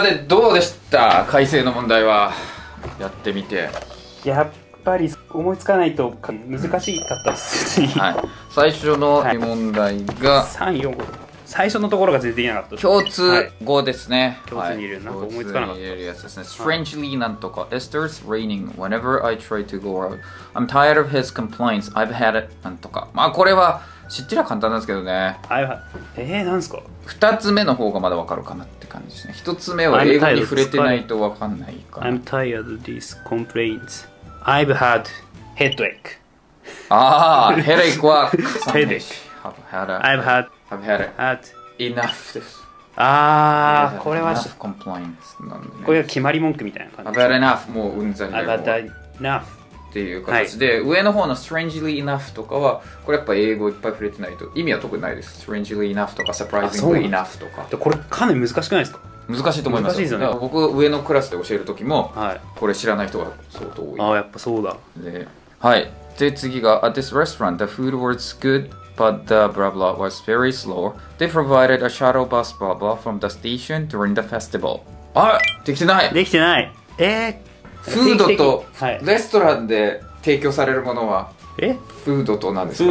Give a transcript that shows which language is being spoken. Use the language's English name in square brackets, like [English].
[Japanese] あ、で、どうでした開成の問題は、やってみて。やっぱり、思いつかないと難しかったです、はい、最初の問題が、はい、 3、4、5、最初のところが全然いなかった。共通語ですね、はい、共通にいる、なんか思いつかなかった。共通にいるやつですね、はい、 [English] Strangely [Japanese] なんとか、はい、 [English] It starts raining whenever I try to go out. I'm tired of his complaints. I've had it [Japanese] なんとか。まあこれは知ってりゃ簡単なんですけどね。なんすか。二つ目の方がまだわかるかなって感じですね。一つ目は英語に触れてないとわかんないかな。 [English] I'm tired of these complaints. I've had headache. [Japanese] ああ、headache は重ね。 [English] headache. I've had enough [Japanese] です。ああ、これは。 [English] enough complaints [Japanese] なんで、ね。これは決まり文句みたいな感じ。 [English] I've had enough. [Japanese] もううんざりだよ。 [English] I've had enough. [Japanese] っていう形で、はい、上の方の [English] strangely enough [Japanese] とかはこれやっぱ英語いっぱい触れてないと意味は特にないです。 [English] strangely enough [Japanese] とか [English] surprisingly enough とか、 [Japanese] これかなり難しくないですか。難しいと思います。難しいですよね。僕上のクラスで教える時も、はい、これ知らない人が相当多い。ああ、やっぱそうだ。で、はい、で次が [English] At this restaurant the food was good but the blah blah was very slow. They provided a shuttle bus blah blah from the station during the festival. [Japanese] あ、できてない。できてない。フードとレストランで提供されるものはフードと何ですか、